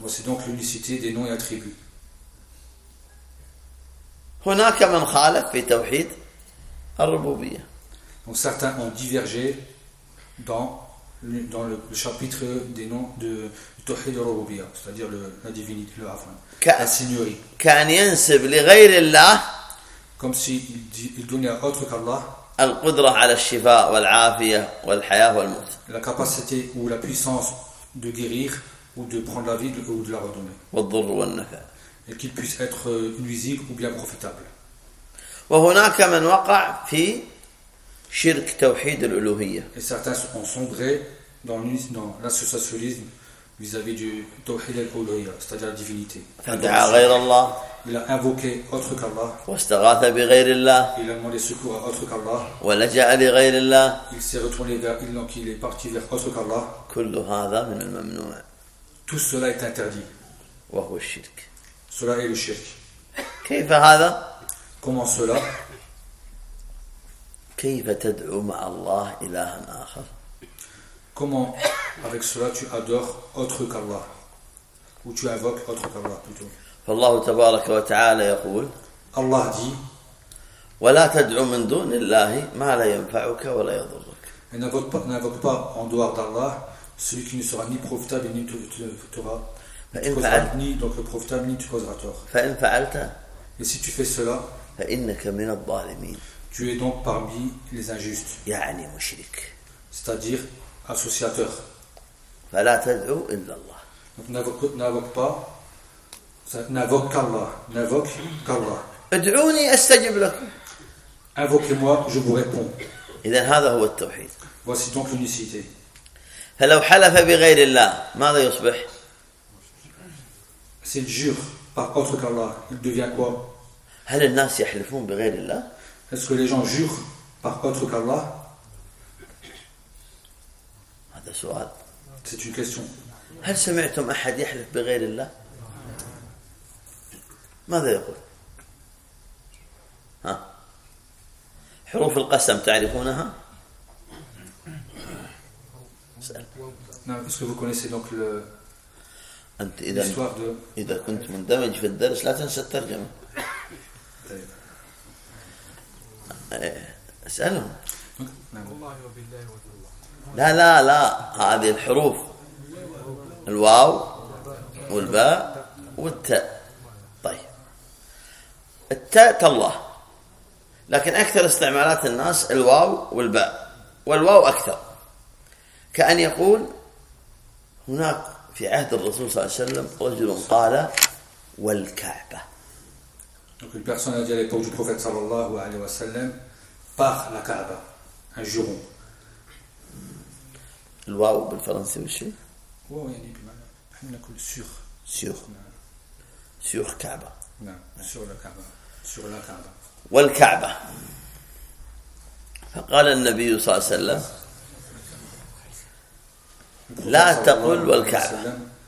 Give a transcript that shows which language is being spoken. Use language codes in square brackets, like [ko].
[fr] Voici donc l'unicité des noms et attributs. [ar] هناك من خالف في توحيد الربوبية. [fr] Donc certains ont divergé dans le chapitre des noms de توحيد الربوبية, c'est-à-dire la divinité, le Havan, la seigneurie. [ar] كان ينسب لغير الله. [fr] Comme s'il donnait à autre qu'Allah. [ar] القدرة على الشفاء والعافية والحياة والموت. [fr] La capacité ou la puissance de guérir ou de prendre la vie ou de la redonner. [ar] والضر والنفع. [fr] Et qu'il puisse être nuisible ou bien profitable. [ar] وهناك من وقع في شرك توحيد الألوهية. [fr] Et certains ont sombré dans l'associationnisme vis-à-vis du توحيد الألوهية, c'est-à-dire la divinité. [ar] فدعا غير الله. [fr] Il a invoqué autre qu'Allah. [ar] واستغاث بغير الله. [fr] Il a demandé secours à autre qu'Allah. [ar] ولجأ لغير الله. [fr] Il s'est retourné vers, donc il est parti vers autre qu'Allah. [ar] كل هذا من الممنوع. [fr] Tout cela est interdit. [ar] وهو الشرك. [fr] Cela est le shirk. [ar] كيف هذا؟ [fr] Comment cela؟ [ar] كيف تدعو مع الله إلها آخر؟ [fr] Comment avec cela tu adores autre qu'Allah ou tu invoques autre qu'Allah plutôt؟ [ar] فالله تبارك وتعالى يقول الله دي ولا تدعو من دون الله ما لا ينفعك ولا يضرك. [fr] N'invoque pas en dehors d'Allah celui qui ne sera ni profitable ni tortura. [ar] فإن فعلت [fr] ni donc profitable ni causera tort. [ar] فإن فعلت. [fr] Et si tu fais cela. [ar] فإنك من الظالمين. [fr] Tu es donc parmi les injustes. [ar] يعني مشرك. [fr] C'est-à-dire associateur. [ar] فلا تدعو إلا الله. [fr] Donc n'invoque pas. N'invoque qu'Allah. N'invoque qu'Allah. [ar] Ad'ouni astajib lakum. [fr] Invoquez-moi, je vous réponds. [ar] إذن هذا هو التوحيد. [fr] Voici donc l'unicité. [ar] فلو حلف بغير الله ماذا يصبح؟ [fr] S'il jure par autre qu'Allah, il devient quoi؟ [ar] هل الناس يحلفون بغير الله؟ [fr] Est-ce que les gens jurent par autre qu'Allah؟ [ar] هذا سؤال. [fr] C'est une question. [ar] هل سمعتم أحد يحلف بغير الله؟ ماذا يقول؟ ها؟ حروف القسم تعرفونها؟ سأل. نعم. [fr] Est-ce que vous connaissez donc le [ar] أنت إذا إذا كنت مندمج في الدرس لا تنسى الترجمة. أسألهم. لا لا لا هذه الحروف الواو والباء والتاء. التاء كالله لكن أكثر استعمالات الناس الواو والباء والواو أكثر كأن يقول هناك في عهد الرسول صلى الله عليه وسلم رجل قال والكعبة [fr] donc une personne a dit à l'époque du prophète [ar] صلى الله عليه وسلم [fr] par la Kaaba un juron [ar] الواو بالفرنسي وش هي واو يعني بمعنى نحن نقول [fr] sur sur [ar] كعبة [fr] نعم sur la Kaaba sur la Kaaba [ar] والكعبة فقال النبي صلى الله عليه وسلم لا تقل والكعبة